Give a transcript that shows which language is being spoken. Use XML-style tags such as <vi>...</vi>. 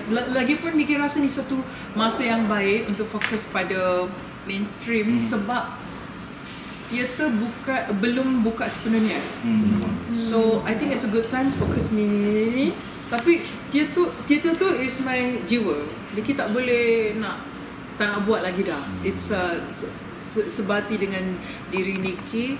<ms>Lagipun Niki rasa ni satu masa yang baik untuk fokus pada mainstream sebab theater buka, belum buka sepenuhnya.</ms> <en>So, I think it's a good time</en> <ms>fokus ni. Tapi theater tu</ms> <en>is my</en> <ms>jiwa. Niki tak boleh nak tak nak buat lagi dah.</ms> <en>It's</en> <ms>sebati dengan diri Niki.</ms>